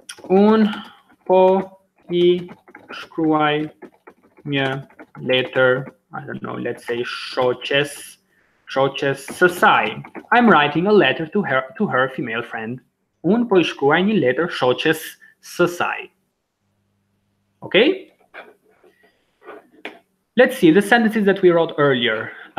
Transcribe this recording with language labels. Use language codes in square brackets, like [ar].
[sq] Un po I shkruaj një letër, [en] I don't know, let's say [sq] shoqes së saj. [en] I'm writing a letter to her female friend. [sq] Un po I shkruaj një letër shoqes së saj. [en] Okay? Let's see the sentences that we wrote earlier.